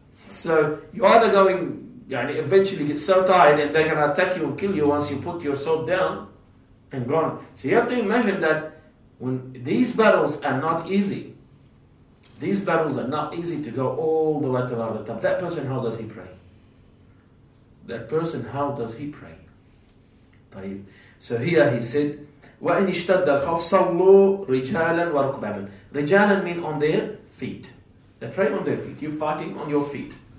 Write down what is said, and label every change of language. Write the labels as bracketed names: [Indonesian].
[English] So you're either going, yani, eventually get so tired, and they're going to attack you and kill you once you put your sword down, and gone. So you have to imagine that when these battles are not easy. These battles are not easy to go all the way to the top. That person, how does he pray? That person, how does he pray? So here he said, [Arabic] وَإِنْ اِشْتَدَّ الْخَوْفْ صَلُّوا رِجَالًا وَرُكْبَابًا. [English] رِجَالًا mean on their feet. They pray on their feet. You're fighting on your feet.